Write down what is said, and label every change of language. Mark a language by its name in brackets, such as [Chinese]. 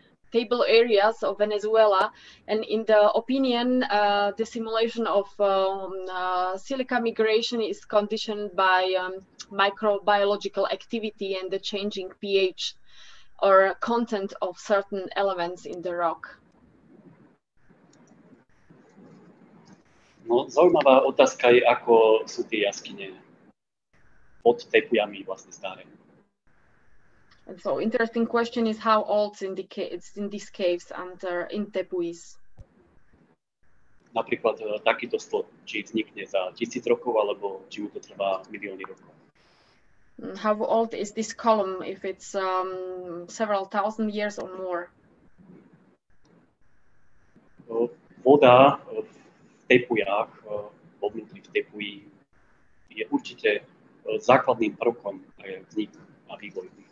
[English] table areas of Venezuela, and in the opinion, the simulation of silica migration is conditioned by microbiological activity and the changing pH or content of certain elements in the rock. [Slovak] No, zaujímavá otázka je, ako sú tie jaskyne pod Tepujami vlastne staré. [English] And so, interesting question is how old it's in these caves under in Tepuis. [Slovak] Napríklad takýto stĺp, či vznikne za 1000 rokov, alebo či mu to trvá milióny rokov. [English] How old is this column, if it's several thousand years or more? [Slovak] Voda v Tepujach, vo vnútri v Tepuji, je určite základným prvkom pre vznik a vývoj.